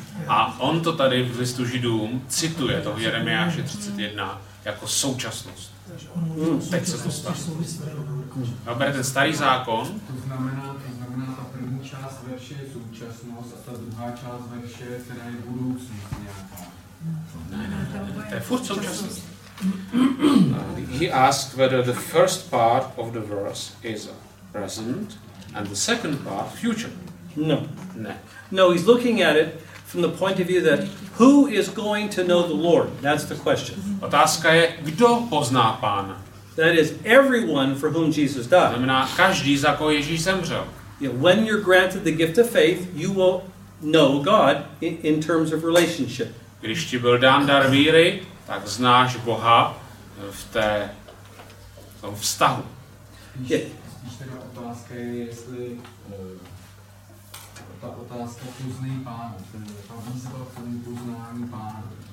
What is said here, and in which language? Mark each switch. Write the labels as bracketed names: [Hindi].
[Czech] A on to tady v listu Židům cituje to Jeremiáše 31 jako současnost. Teď se to stalo. Bere ten starý zákon. To znamená ta první část verše je současnost a ta druhá část verše, která je budoucnost nějaká. Ne, to je furt současnost. [English] He asked whether the first part of the verse is present and the second part future. No. [Czech] Ne. [English] No, he's looking at it from the point of view that who is going to know the Lord? That's the question. [Czech] Otázka je, kdo pozná Pána? [English] That is everyone for whom Jesus died. [Czech] Znamená každý, za koho Ježíš zemřel. [English] Yeah, when you're granted the gift of faith, you will know God in terms of relationship. [Czech] Když ti byl dán dar víry, tak znáš Boha v té tom vztahu. [English] Yeah. [Czech] Když teda otázka je, jestli ta otázka poznej Pána, ta výzva k tomu poznání Pána.